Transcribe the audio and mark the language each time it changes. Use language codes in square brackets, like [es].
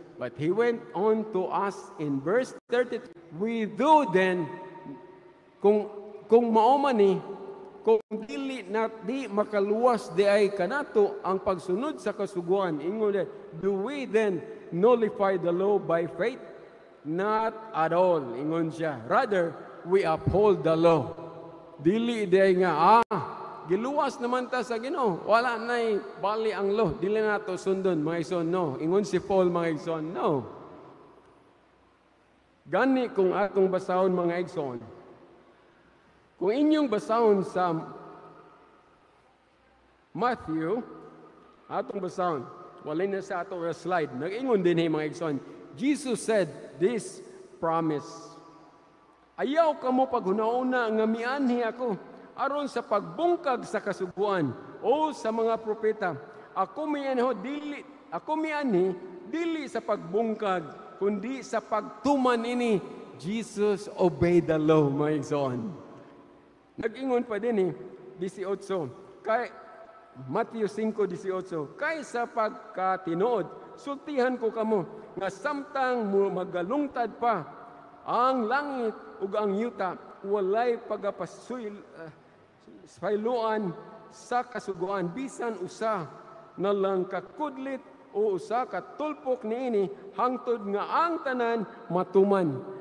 [en] But he went on to ask in verse 32, we do then, kung maomani, kung dili na di makaluwas di ay kanato ang pagsunod sa kasuguan, ingon na, do we then nullify the law by faith? Not at all, ingon siya. Rather, we uphold the law. [ceb] Dili di ay nga, giluwas naman ta sa Ginoo, wala nay bali ang law, dili na to sundon, mga ison, no. Ingon si Paul, mga ison, no. Gani kung atong basahon, mga ison, kung inyong basahon sa Matthew, atong basahon, wala na sa atong slide, nag-ingon din eh, mga ison, Jesus said this promise, ayaw ka mo paghunauna nga mianhi ako aron sa pagbungkag sa kasuguan o sa mga propeta. Ako mianhi dili sa pagbungkag kundi sa pagtuman ini. [en] Jesus obeyed the law, my son. [ceb] Nag-ingon pa din eh, 18, kay Matthew 5:18, kay sa pagkatinood, sultihan ko kamo nga samtang magalungtad pa ang langit ug ang yuta, walay pagapasuil failuan sa kasuguan bisan usa na lang kakudlit o usa ka tulpok niini hangtod nga ang tanan matuman.